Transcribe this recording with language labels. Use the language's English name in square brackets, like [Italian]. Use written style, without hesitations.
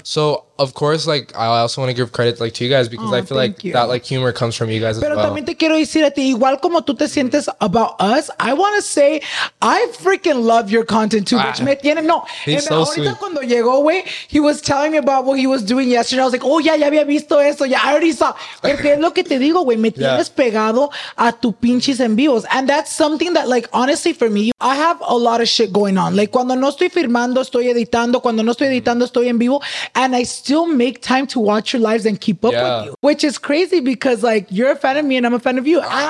[English] So of course, like I also want to give credit like to you guys, because I feel like that like humor comes from you guys as [Spanish] well. Pero también te quiero decir a ti, igual como tú te sientes [English] about us, I want to say I freaking love your content too. [Spanish] Which me tiene, no. [English] He's so ahorita sweet. [Spanish] Cuando llegó, güey, [English] he was telling me about what he was doing yesterday. I was like, oh yeah, [Spanish] ya había visto eso. [English] Yeah, I already saw. [Spanish] Porque es lo que te digo, güey, me tienes pegado a tu pinches en vivos. [English] And that's something that like, honestly for me, I have a lot of shit going on. [Spanish] Like cuando no estoy firmando, estoy editando. Cuando no estoy editando, estoy en vivo. [English] And I still make time to watch your lives and keep up with you, which is crazy because like you're a fan of me and I'm a fan of you.